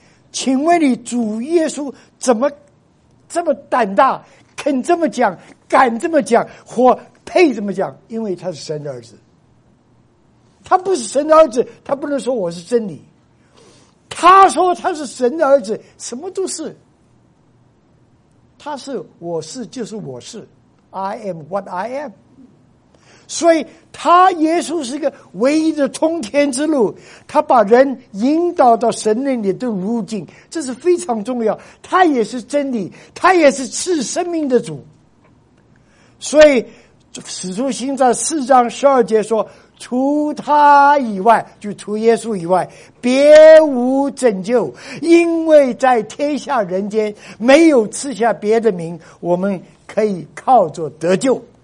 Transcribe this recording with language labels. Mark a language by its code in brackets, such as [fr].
[zh] 请问你，主耶稣怎么这么胆大，肯这么讲，敢这么讲，或配这么讲？因为他是神的儿子。他不是神的儿子，他不能说我是真理。他说他是神的儿子，什么都是。他是我是就是我是 ， [en] I am what I am。 [zh] 所以他耶稣是一个唯一的通天之路，他把人引导到神那里的路径，这是非常重要。他也是真理，他也是赐生命的主。所以使徒行传4章12节说，除他以外，就除耶稣以外，别无拯救，因为在天下人间没有赐下别的名我们可以靠着得救。